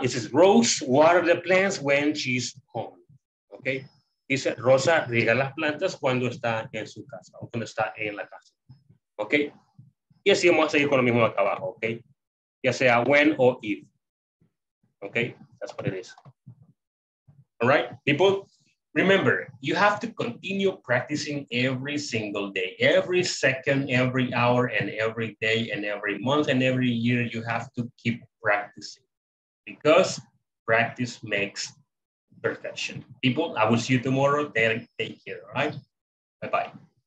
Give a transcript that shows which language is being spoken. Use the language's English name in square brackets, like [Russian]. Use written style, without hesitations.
[English] This is Rose water the plants when she's home, okay. [Spanish] Dice Rosa riega las plantas cuando está en su casa o cuando está en la casa, okay. Y así vamos a seguir con lo mismo acá abajo, okay. Ya sea [English] when o if. Okay, that's what it is. All right, people, remember, you have to continue practicing every single day, every second, every hour, and every day, and every month, and every year. You have to keep practicing because practice makes perfection. People, I will see you tomorrow. Take care, all right? Bye-bye.